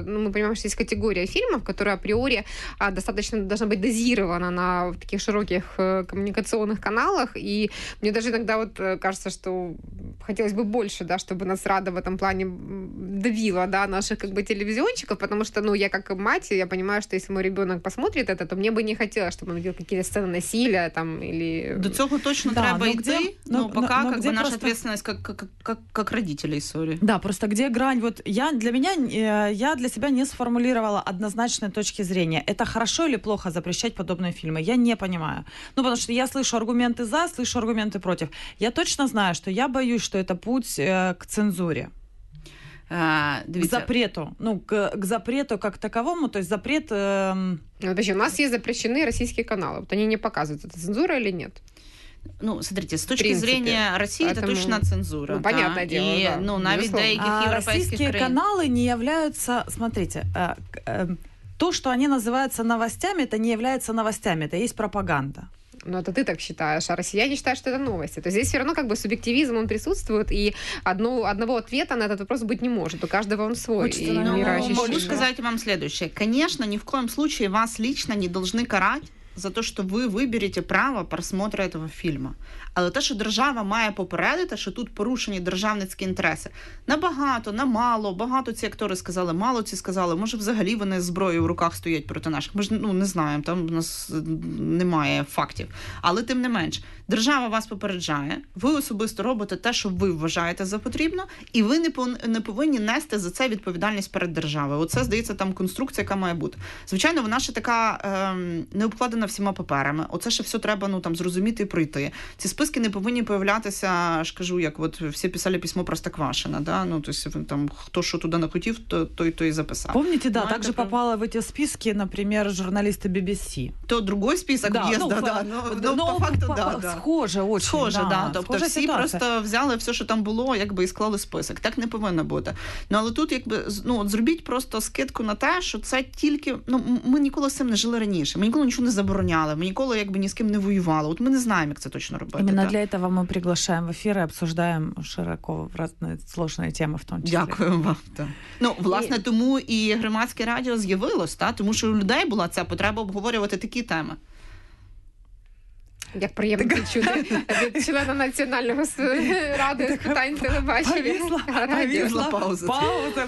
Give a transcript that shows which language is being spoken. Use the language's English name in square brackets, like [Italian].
[Ukrainian] Ну, ми розуміємо, що є категорія фільмів, яка апріорі достатньо має бути дозірована на таких широких комунікаційних каналах, і мені навіть іноді от, [Russian] кажется, що хотелось бы больше, да, чтобы Нацрада в этом плане давила, да, наших как бы телевизионщиков, потому что, ну, я как мать, я понимаю, что если мой ребенок посмотрит это, то мне бы не хотелось, чтобы он видел какие-то сцены насилия там или... [Ukrainian] До цього точно да, треба йти, [Russian] где... но пока но как бы наша ответственность как родителей, sorry. Да, просто где грань? Вот я для себя не сформулировала однозначной точки зрения. Это хорошо или плохо запрещать подобные фильмы? Я не понимаю. Ну, потому что я слышу аргументы за, слышу аргументы против. Я точно знаю, что я боюсь, что это путь к цензуре. К запрету. Ну, к запрету как таковому, то есть запрет... У нас есть запрещены российские каналы. Вот они не показывают, это цензура или нет? Ну, смотрите, с точки зрения России, поэтому... это точно цензура. Ну, понятное дело, и, да. [Ukrainian] Ну, навіть деяких европейских [Russian] российские [Ukrainian] краин... [Russian] каналы не являются... Смотрите, то, что они называются новостями, это не является новостями, это есть пропаганда. Ну, это ты так считаешь, а россияне считают, что это новости. То есть здесь все равно как бы субъективизм, он присутствует, и одного ответа на этот вопрос быть не может. У каждого он свой. Хочется, наверное, ну, могу сказать вам следующее. Конечно, ни в коем случае вас лично не должны карать за то, что вы выберете право просмотра этого фильма. [Ukrainian] Але те, що держава має попередити, що тут порушені державницькі інтереси. Набагато, на мало, багато ці актори сказали, мало ці сказали. Може, взагалі вони з зброєю в руках стоять проти наших. Ми ж, ну, не знаємо, там в нас немає фактів. Але тим не менш, держава вас попереджає, ви особисто робите те, що ви вважаєте за потрібно, і ви не повинні нести за це відповідальність перед державою. Оце, здається, там конструкція, яка має бути. Звичайно, вона ще така не обкладена всіма паперами. Оце ще все треба, ну, там, зрозуміти і пройти. Ці списки не повинні появлятися, скажу, як от всі писали письмо Простоквашина, да? Ну, тобто, там, хто що туди не хотів, той і записав. Пам'ятаєте, да, також попала в ці списки, наприклад, журналісти BBC. То другий список, да, є, ну, да, ну, по факту, да. Схоже, очень. Схоже, да. Да. Тобто всі ситуація. Просто взяли все, що там було, якби, і склали список. Так не повинно бути. Ну, але тут, якби, ну, от зробіть просто скидку на те, що це тільки, ну, ми ніколи з цим не жили раніше. Ми ніколи нічого не забороняли, ми ніколи, якби, ні з ким не воювали. От ми не знаємо, як це точно робити. [Russian] Именно для этого мы приглашаем в эфир и обсуждаем широко разные сложные темы в том числе. [Ukrainian] Дякую вам. Да. Ну, власне, тому и громадське радио з'явилось, да? Тому що у людей була ця потреба обговорювати такі теми. Як приємно почути від члена Національного ради з питань телебачення. Повісла пауза. Пауза.